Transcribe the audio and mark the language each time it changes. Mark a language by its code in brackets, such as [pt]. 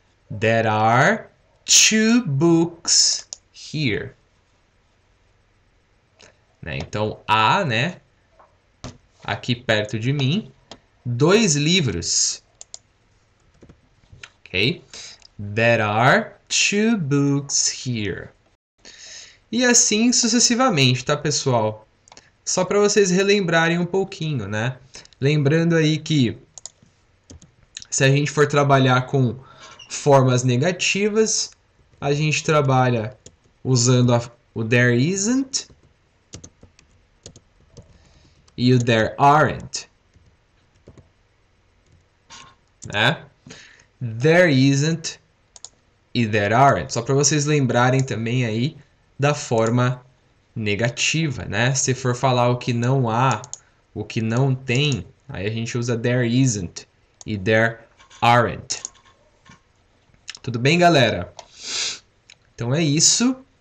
[en] There are two books here. [pt] Né? Então, há, né? Aqui perto de mim, dois livros. Ok? [en] There are two books here. [pt] E assim sucessivamente, tá, pessoal? Só para vocês relembrarem um pouquinho, né? Lembrando aí que se a gente for trabalhar com formas negativas, a gente trabalha usando o [en] there isn't [pt] e o [en] there aren't, [pt] né? [en] There isn't e there aren't. [pt] Só para vocês lembrarem também aí da forma negativa, né? Se for falar o que não há, o que não tem, aí a gente usa [en] there isn't [pt] e [en] there aren't. [pt] Tudo bem, galera? Então é isso.